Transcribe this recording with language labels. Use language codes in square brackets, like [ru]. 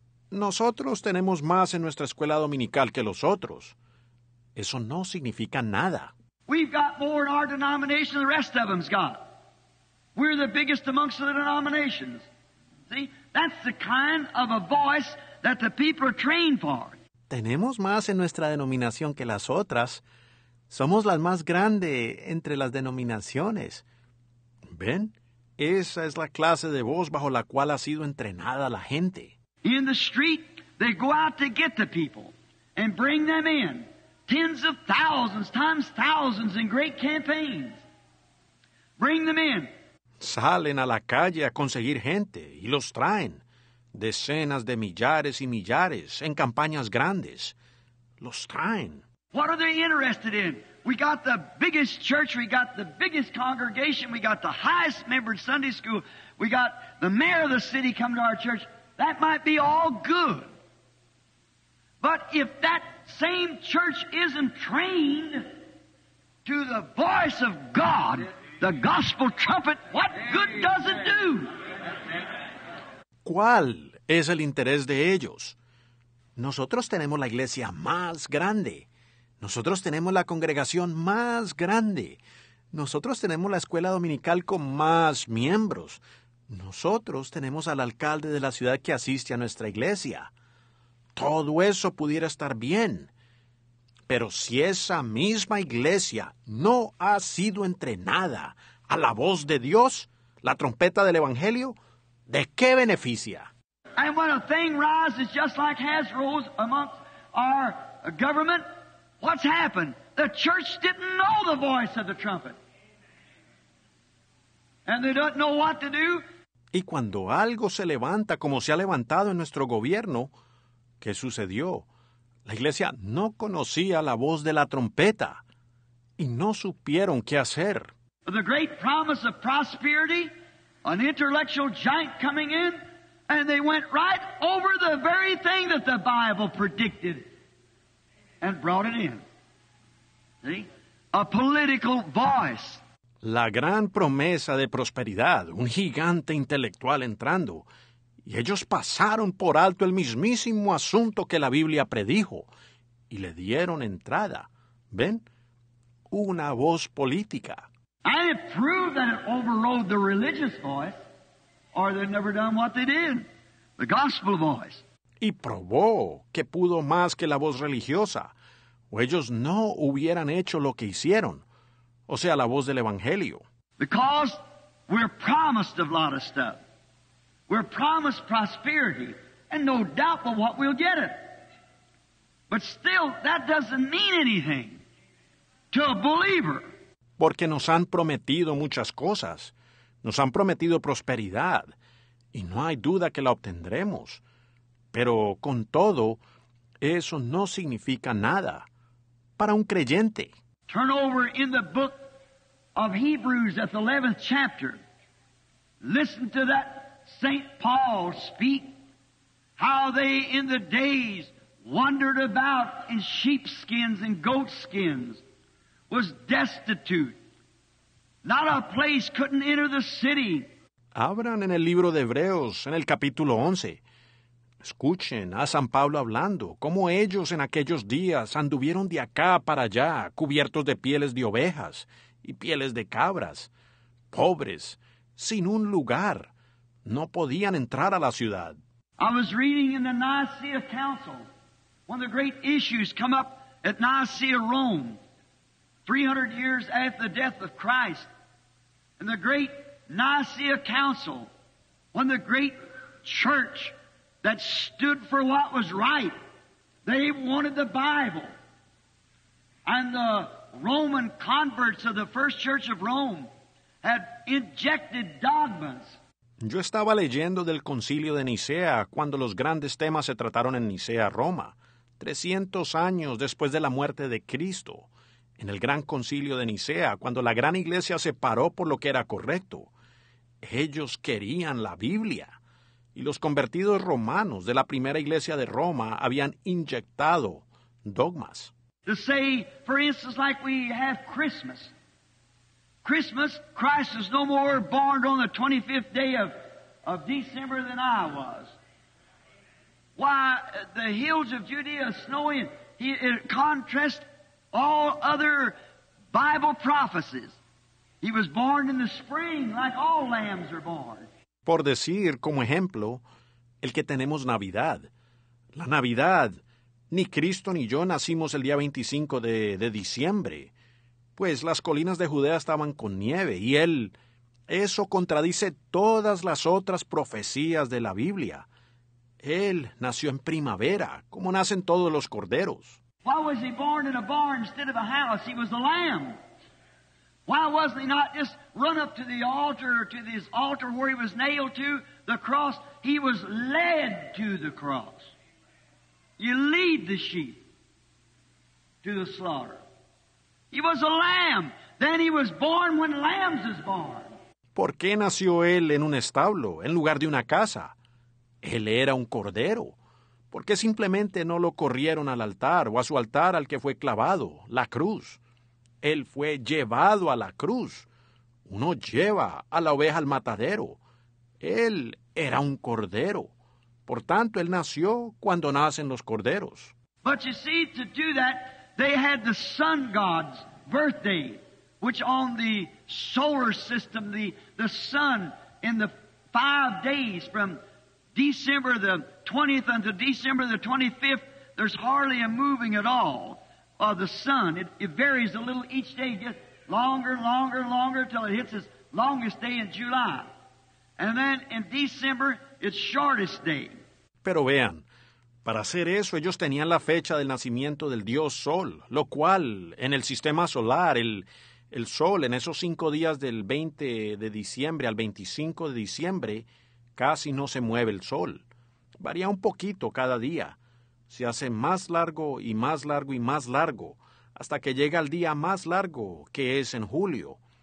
[es] Nosotros tenemos más en nuestra escuela dominical que los otros. Eso no significa nada. [en] We've got more in our denomination than the rest of them's got. We're the biggest amongst the denominations. See, that's the kind of a voice that the people are trained for. [es] Tenemos más en nuestra denominación que las otras. Somos las más grande entre las denominaciones. ¿Ven? Esa es la clase de voz bajo la cual ha sido entrenada la gente. [en] In the street, they go out to get the people and bring them in. Tens of thousands, times thousands in great campaigns. Bring them in. [es] Salen a la calle a conseguir gente y los traen. Decenas de millares y millares en campañas grandes. Los traen. [en] What are they interested in? We got the biggest church, we got the biggest congregation, we got the highest member Sunday school, we got the mayor of the city come to our church. That might be all good. But if that same church isn't trained to the voice of God, The gospel trumpet, what good does it do? [es] ¿Cuál es el interés de ellos? Nosotros tenemos la iglesia más grande. Nosotros tenemos la congregación más grande. Nosotros tenemos la escuela dominical con más miembros. Nosotros tenemos al alcalde de la ciudad que asiste a nuestra iglesia. Todo eso pudiera estar bien. Pero si esa misma iglesia no ha sido entrenada a la voz de Dios, la trompeta del Evangelio, ¿de qué beneficia? [en] And when a thing rises just like has rose amongst our government, what's happened? The church didn't know the voice of the trumpet. And they don't know what to do. [es] Y cuando algo se levanta como se ha levantado en nuestro gobierno, ¿qué sucedió? La iglesia no conocía la voz de la trompeta y no supieron qué hacer. [en] The great promise of prosperity, an intellectual giant coming in, and they went right over the very thing that the Bible predicted and brought it in. See? A political voice. [es] La gran promesa de prosperidad, un gigante intelectual entrando. Y ellos pasaron por alto el mismísimo asunto que la Biblia predijo y le dieron entrada. ¿Ven? Una voz política. [en] And it proved that it overrode the religious voice, or they'd never done what they did, the gospel voice. [es] Y probó que pudo más que la voz religiosa, o ellos no hubieran hecho lo que hicieron, o sea, la voz del Evangelio. [en] Because we're promised a lot of stuff. We're promised prosperity, and no doubt but what we'll get it. But still, that doesn't mean anything to a believer. [es] Porque nos han prometido muchas cosas. Nos han prometido prosperidad, y no hay duda que la obtendremos. Pero, con todo, eso no significa nada para un creyente. [en] Turn over in the book of Hebrews at the 11th chapter. Listen to that Saint Paul speak, how they in the days wandered about in sheepskins and goatskins, was destitute. Not a place couldn't enter the city. [es] Abran en el libro de Hebreos, en el capítulo 11. Escuchen a San Pablo hablando, cómo ellos en aquellos días anduvieron de acá para allá, cubiertos de pieles de ovejas y pieles de cabras, pobres, sin un lugar. No podían entrar a la ciudad. [en] I was reading in the Nicaea Council, one of the great issues come up at Nicaea, Rome, 300 years after the death of Christ. And the great Nicaea Council, one of the great church that stood for what was right, they wanted the Bible. And the Roman converts of the first church of Rome had injected dogmas. [es] Yo estaba leyendo del Concilio de Nicea cuando los grandes temas se trataron en Nicea, Roma, 300 años después de la muerte de Cristo, en el Gran Concilio de Nicea, cuando la gran iglesia se paró por lo que era correcto. Ellos querían la Biblia, y los convertidos romanos de la primera iglesia de Roma habían inyectado dogmas. [en] To say, for instance, like we have Christmas. Christmas, Christ is no more born on the 25th day of December than I was. Why, the hills of Judea are snowing, it contrasts all other Bible prophecies. He was born in the spring, like all lambs are born. [es] Por decir, como ejemplo, el que tenemos Navidad. La Navidad, ni Cristo ni yo nacimos el día 25 de diciembre. Pues las colinas de Judea estaban con nieve, y él, eso contradice todas las otras profecías de la Biblia. Él nació en primavera, como nacen todos los corderos. [en] Why was he born in a barn instead of a house? He was a lamb. Why wasn't he not just run up to the altar, to this altar where he was nailed to the cross? He was led to the cross. You lead the sheep to the slaughter. He was a lamb. Then he was born when lambs is born. [es] ¿Por qué nació él en un establo, en lugar de una casa? Él era un cordero. ¿Por qué simplemente no lo corrieron al altar o a su altar al que fue clavado, la cruz? Él fue llevado a la cruz, Uno lleva a la oveja al matadero. Él era un cordero. Por tanto, él nació cuando nacen los corderos. [en] But you see, to do that, they had the sun god's birthday, which on the solar system, the sun in the 5 days from December the 20th until December the 25th, there's hardly a moving at all of the sun. It varies a little each day, gets longer, longer, longer until it hits its longest day in July. And then in December, its shortest day. [es] Pero vean, para hacer eso, ellos tenían la fecha del nacimiento del dios Sol, lo cual, en el sistema solar, el Sol, en esos 5 días del 20 de diciembre al 25 de diciembre, casi no se mueve el Sol. Varía un poquito cada día. Se hace más largo y más largo y más largo, hasta que llega el día más largo, que es en julio.